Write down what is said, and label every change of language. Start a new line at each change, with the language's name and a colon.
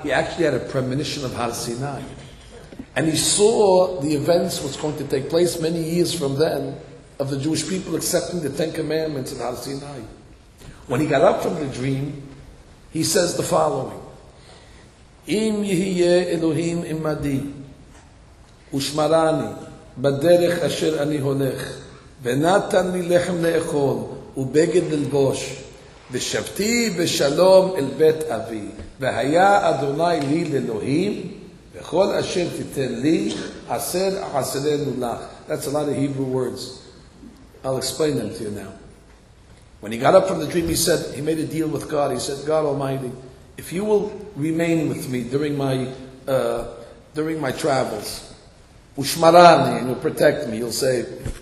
English: He actually had a premonition of Har Sinai. And he saw the events what's going to take place many years from then of the Jewish people accepting the Ten Commandments in Har Sinai. When he got up from the dream, he says the following,
Hebrew: Im Yehiye Elohim Imadi. ושמרני בדרך אשר אני הולך ונתן לי לחם לאכול ובגד ללבוש ושבתי בשלום אל בית אבי והיה אדוני לי לאלוהים וכל אשר תיתן לי עשר עשרנו לך.
English: That's a lot of Hebrew words. I'll explain them to you now. When he got up from the dream, he said, he made a deal with God. He said, God Almighty, if you will remain with me during my travels,
Hebrew: ושמרני,
English: and you'll protect me, you'll save me.